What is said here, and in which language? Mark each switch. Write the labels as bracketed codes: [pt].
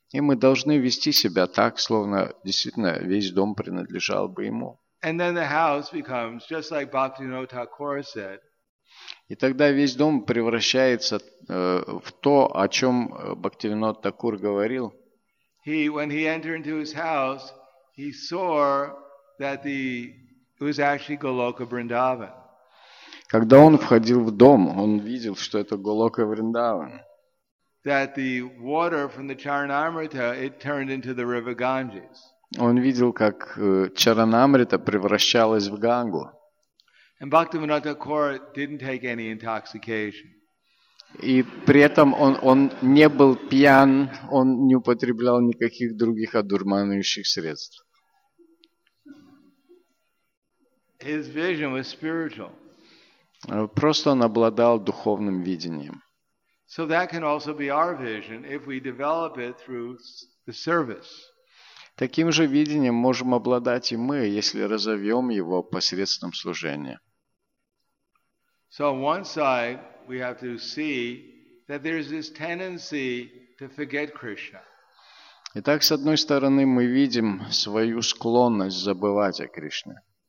[ru] И мы должны вести себя так, словно действительно весь дом принадлежал бы ему. [en] And then the house becomes just like Bhaktivinoda Thakur said. [ru] И тогда весь дом превращается в то, о чем Бхактивинода Такур говорил. Когда он входил в дом, он видел, что это Голока Вриндаван. [en] That the water from the Charanamrita, it turned into the river Ganges. [ru] Он видел, как Чаранамрита превращалась в Гангу. [en] And Bhaktivinoda Thakur didn't take any intoxication. [ru] И при этом он не был пьян, он не употреблял никаких других одурманивающих средств. [en] His vision was spiritual. [ru] Просто он обладал духовным видением. [en] So that can also be our vision if we develop it through the service. [ru] Таким же видением можем обладать и мы, если разовьем его посредством служения. [en] So on one side we have to see that there is this tendency to forget Krishna. [ru] Итак, с одной стороны мы видим свою склонность забывать о Кришне.